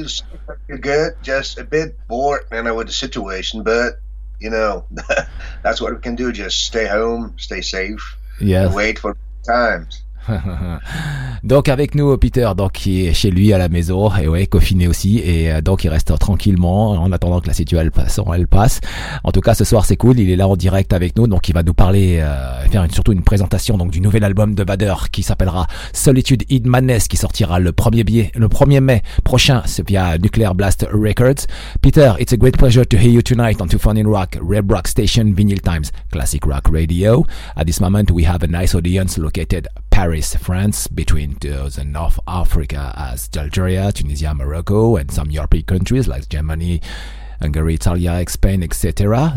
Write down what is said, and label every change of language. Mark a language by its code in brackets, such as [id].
[en] I feel good, just a bit bored, man, with the situation, but, you know, that's what we can do, just stay home, stay safe, yes, and wait for times. [fr] Donc avec nous Peter, donc qui est chez lui à la maison, et ouais, confiné aussi, et donc il reste tranquillement en attendant que la situation elle passe. En tout cas ce soir c'est cool, il est là en direct avec nous, donc il va nous parler, faire surtout une présentation donc du nouvel album de Vader qui s'appellera Solitude in Madness, qui sortira le 1er mai prochain via Nuclear Blast Records. [en] Peter, it's a great pleasure to hear you tonight on 2:14 Rock, Red Rock Station, Vinyl Times, Classic Rock Radio. At this moment we have a nice audience located Paris, France, between the North Africa as Algeria, Tunisia, Morocco, and some European countries like Germany, Hungary, Italy, Spain, etc.